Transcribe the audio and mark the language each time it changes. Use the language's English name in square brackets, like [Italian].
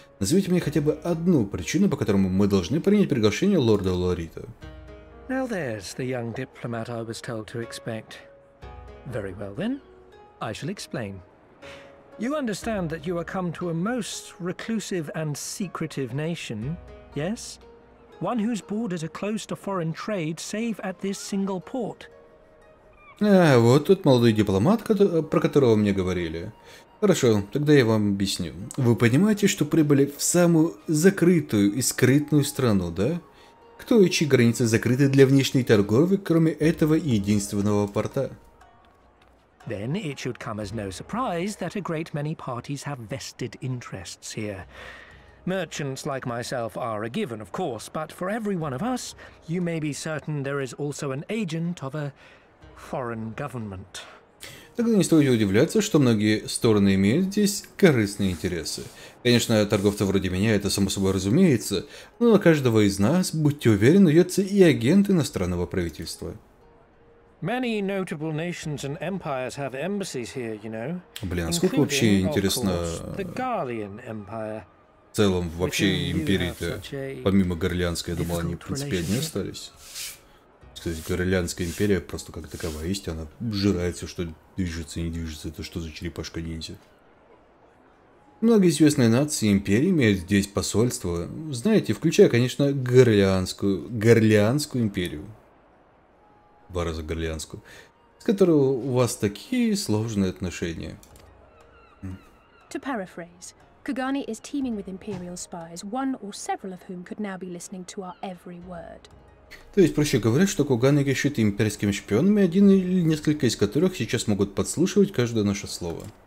[Russian] Назовите мне хотя бы одну причину, по которому мы должны принять приглашение лорда Лорита. [English] Now there's the young diplomat I was told to expect. Very well then, I shall explain. You understand that you are come to a most reclusive and secretive nation, yes? One whose borders are closed to foreign trade, save at this single port. [Russian] А, вот тот молодой дипломат, про которого мне говорили. Хорошо, тогда я вам объясню. Вы понимаете, что прибыли в самую закрытую и скрытную страну, да? Кто и чьи границы закрыты для внешней торговли, кроме этого единственного порта? [English] Then it should come as no surprise that a great many parties have vested interests here. Merchants like myself are a given, of course, but for every one of us, you may be certain there is also an agent of a foreign government. [Russian] Тогда не стоит удивляться, что многие стороны имеют здесь корыстные интересы. Конечно, торговцы вроде меня, это само собой разумеется, но на каждого из нас, будьте уверены, ведутся и агенты иностранного правительства. [English] Many notable nations and empires have embassies here, you know. [Russian] Блин, насколько вообще интересно. [English] The Garlean Empire. [Russian] В целом, вообще империи-то, помимо Горлеанской, я думал, они, в принципе, одни остались. Кстати, Горлеанская империя просто как такова есть, она жирает все, что движется и не движется. Это что за черепашка-ниндзя? Многие известные нации и империи имеют здесь посольство. Знаете, включая, конечно, Горлеанскую империю. Два раза Горлеанскую. С которой у вас такие сложные отношения. [English] To paraphrase. Kugani is teeming with imperial spies, one or several of whom could now be listening to our every word. [Russian] То есть, проще говоря, что Кугани кишит имперскими шпионами, один или несколько из которых сейчас могут подслушивать каждое наше слово.